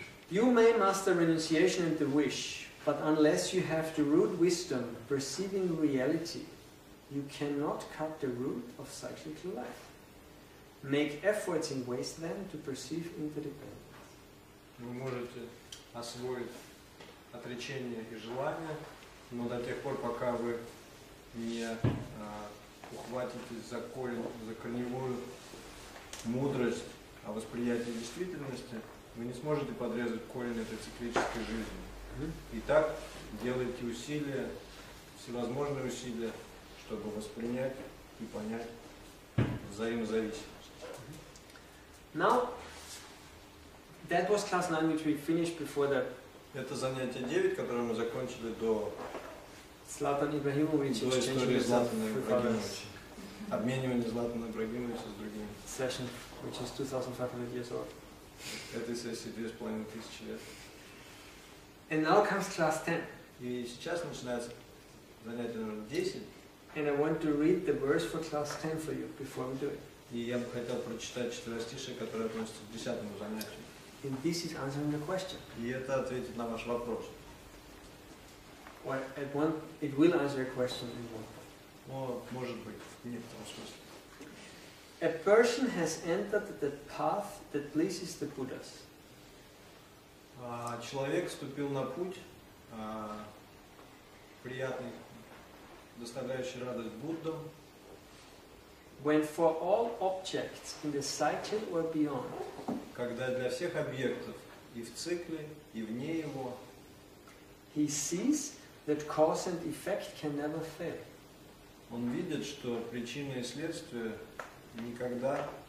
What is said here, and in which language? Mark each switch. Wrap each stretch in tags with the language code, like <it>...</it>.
<en>You may master renunciation and the wish, but unless you have the root wisdom perceiving reality, you cannot cut the root of cyclical life. Make efforts in ways then to perceive interdependence.</en> <ru>Вы можете освоить отречение и желание, но до тех пор, пока вы не ухватитесь за корневую мудрость о восприятии действительности, вы не сможете подрезать корень этой циклической жизни. Итак, делайте усилия, всевозможные усилия, чтобы воспринять и понять взаимозависимость.</ru> <en>Now, that was class 9, which we finished before the...</en> <ru>Это занятие 9, которое мы закончили до... Златан Ибрагимович, до истории Златана Ибрагимовича. Обменивание Златана Ибрагимовича с другими.</ru> <en>Session, which is 2500 years old.</en> <ru>Этой сессии 2500 лет.</ru> <en>And now comes class 10.</en> <ru>И сейчас начинается занятие номер 10.</ru> <en>And I want to read the verse for class 10 for you before we do it.</en> <ru>И я бы хотел прочитать четверостишие, которое относится к десятому занятию.</ru> <en>And this is answering the question.</en> <ru>И это ответит на ваш вопрос.</ru> <en>Well, at one, it will answer a question in one.</en> <ru>Ну, может быть, нет, в том смысле.</ru> <en>A person has entered the path that pleases the Buddhas.</en> <ru>Человек вступил на путь, приятный, доставляющий радость Буддам.</ru> <en>When for all objects in the cycle or beyond.</en> <ru>Когда для всех объектов, и в цикле, и вне его.</ru> <en>He sees that cause and effect can never fail.</en> <ru>Он видит, что причины и следствия никогда</ru>